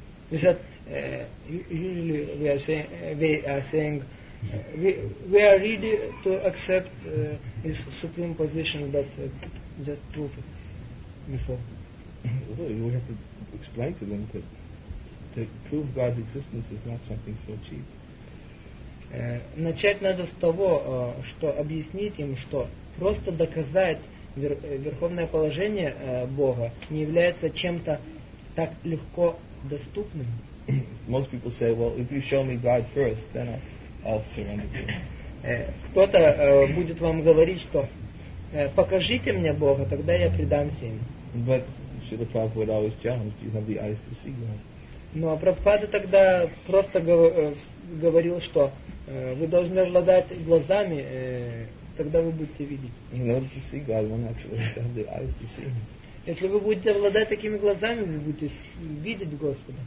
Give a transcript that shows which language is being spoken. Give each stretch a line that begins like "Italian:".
English: Is that usually we are saying, we are ready to accept his supreme position, but just proof it before. Well, we have to explain to them that to prove God's existence is not something so cheap.
Russian: Начать надо с того, что объяснить им, что просто доказать верховное положение Бога не является чем-то так легко доступным.
English: Most people say, well, if you show me God first, then I'll surrender to you.
Russian: Кто-то будет вам говорить, что покажите мне Бога, тогда я предамся им.
English: But Srila Prabhupada always challenged, do you have the eyes to see God?
Russian: Но Прабхупада тогда просто говорил, что вы должны обладать глазами, тогда вы будете видеть.
English: In order to see God, one actually has to have the eyes to see him.
Russian: Если вы будете обладать такими глазами, вы будете видеть Господа.